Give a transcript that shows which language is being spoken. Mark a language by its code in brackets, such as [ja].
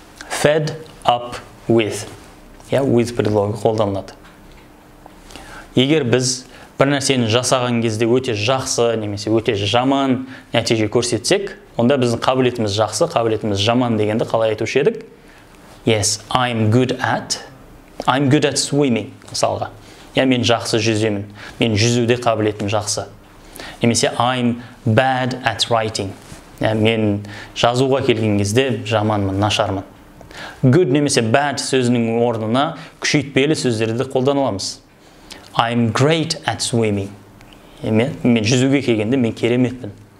[en] Fed up with. [kk] Я with предлогы қолданылады. Егер біз бір нәрсені жасаған кезде өте жақсы, немесе өте жаман нәтиже көрсетсек, онда біздің қабілетіміз жақсы, қабілетіміз жаман дегенді қалай айтушы едік? [en] Yes, I'm good at swimming, [kk] мысалға. Я мен жақсы жүземін, мен жүзуде қабілетім жақсы. Немесе [en] I'm bad at writing. [kk] Я мен жазуға келген кезде жаманмын, нашармын. Good немесе bad сөзінің орнына күшейтпелі сөздерді қолданыламыз. [en] I'm great at swimming. [kk] Мен жүзуге келгенде мен кереметпін.